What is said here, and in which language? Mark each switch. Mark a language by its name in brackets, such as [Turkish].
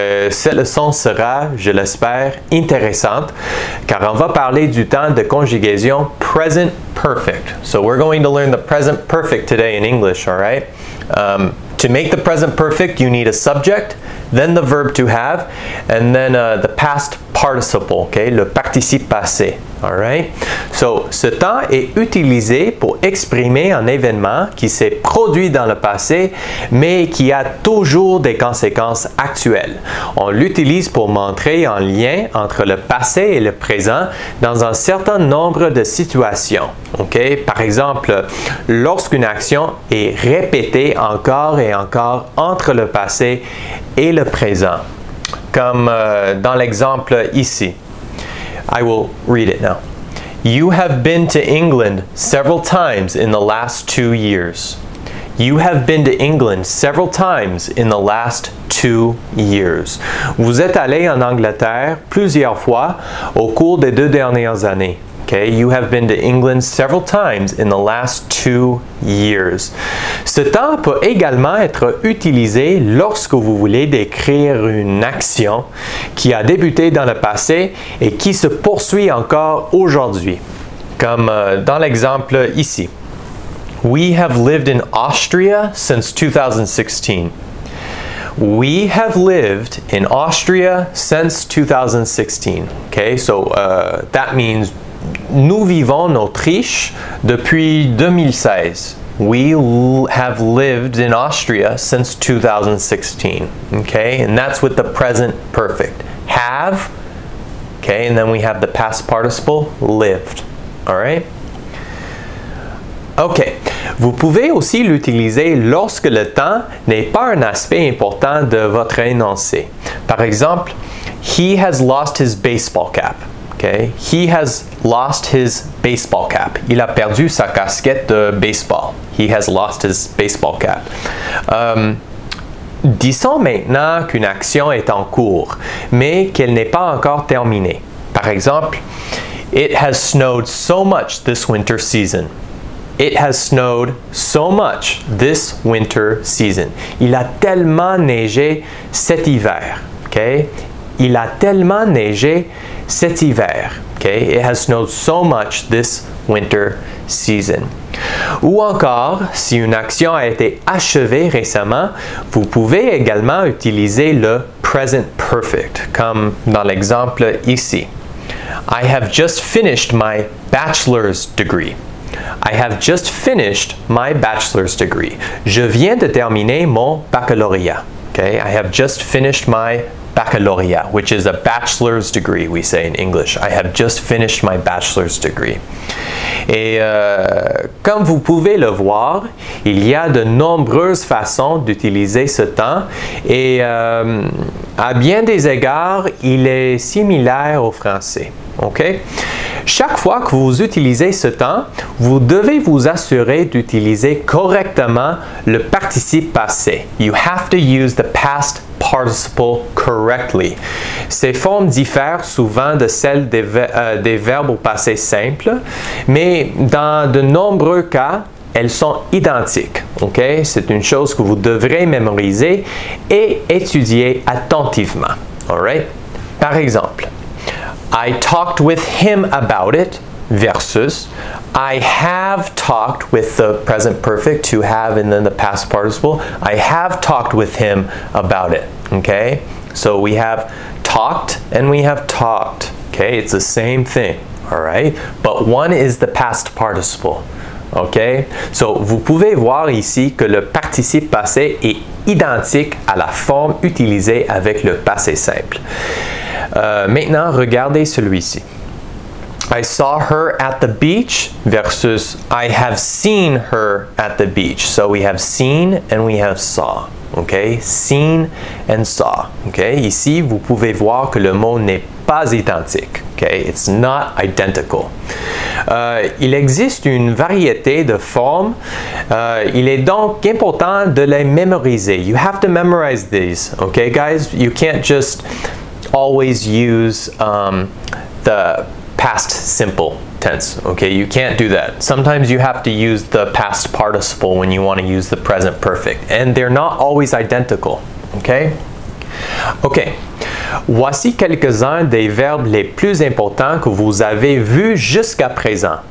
[French] Cette leçon sera, je l'espère, intéressante car on va parler du temps de conjugaison present perfect. [English] So we're going to learn the present perfect today in English, all right? To make the present perfect, you need a subject, then the verb to have, and then the past participle, okay? [French] Le participe passé. [English] All right. [French] So, ce temps est utilisé pour exprimer un événement qui s'est produit dans le passé, mais qui a toujours des conséquences actuelles. On l'utilise pour montrer un lien entre le passé et le présent dans un certain nombre de situations. Okay? Par exemple, lorsqu'une action est répétée encore et encore entre le passé et le présent. Comme dans l'exemple ici. [English] I will read it now. You have been to England several times in the last 2 years. You have been to England several times in the last 2 years. [French] Vous êtes allé en Angleterre plusieurs fois au cours des deux dernières années. [English] Okay, you have been to England several times in the last 2 years. [French] Ce temps peut également être utilisé lorsque vous voulez décrire une action qui a débuté dans le passé et qui se poursuit encore aujourd'hui, comme dans l'exemple ici. [English] We have lived in Austria since 2016. We have lived in Austria since 2016. Okay, so that means [French] nous vivons en Autriche depuis 2016. [English] We have lived in Austria since 2016. Okay, and that's with the present perfect. Have, okay, and then we have the past participle, lived. All right? [French] Okay, vous pouvez aussi l'utiliser lorsque le temps n'est pas un aspect important de votre énoncé. Par exemple, [English] he has lost his baseball cap. Okay. He has lost his baseball cap. [French] Il a perdu sa casquette de baseball. [English] He has lost his baseball cap. [French] Disons maintenant qu'une action est en cours, mais qu'elle n'est pas encore terminée. Par exemple, [English] it has snowed so much this winter season. It has snowed so much this winter season. [French] Il a tellement neigé cet hiver. Okay? Il a tellement neigé cet hiver. Okay? [English] It has snowed so much this winter season. [French] Ou encore, si une action a été achevée récemment, vous pouvez également utiliser le present perfect, comme dans l'exemple ici. [English] I have just finished my bachelor's degree. I have just finished my bachelor's degree. [French] Je viens de terminer mon baccalauréat. [English] Okay? I have just finished my baccalauréat, which is a bachelor's degree, we say in English. I have just finished my bachelor's degree. [French] Et comme vous pouvez le voir, il y a de nombreuses façons d'utiliser ce temps et à bien des égards, il est similaire au français. Okay? Chaque fois que vous utilisez ce temps, vous devez vous assurer d'utiliser correctement le participe passé. [English] You have to use the past participle correctly. [French] Ces formes diffèrent souvent de celles des verbes au passé simple, mais dans de nombreux cas, elles sont identiques. Okay? C'est une chose que vous devrez mémoriser et étudier attentivement. [English] All right? [French] Par exemple, [English] I talked with him about it versus I have talked with the present perfect to have and then the past participle. I have talked with him about it. Okay? So we have talked and we have talked. Okay? It's the same thing. All right? But one is the past participle. Okay? [French] So vous pouvez voir ici que le participe passé est identique à la forme utilisée avec le passé simple. Maintenant, regardez celui-ci. [English] I saw her at the beach versus I have seen her at the beach. So we have seen and we have saw. Okay? Seen and saw. Okay? [French] Ici, vous pouvez voir que le mot n'est pas identique. Okay? [English] It's not identical. [French] Il existe une variété de formes. Il est donc important de les mémoriser. [English] You have to memorize these. Okay, guys? You can't just always use the past simple tense. Okay, you can't do that. Sometimes you have to use the past participle when you want to use the present perfect. And they're not always identical. Okay? Okay. [French] Voici quelques-uns des verbes les plus importants que vous avez vus jusqu'à présent.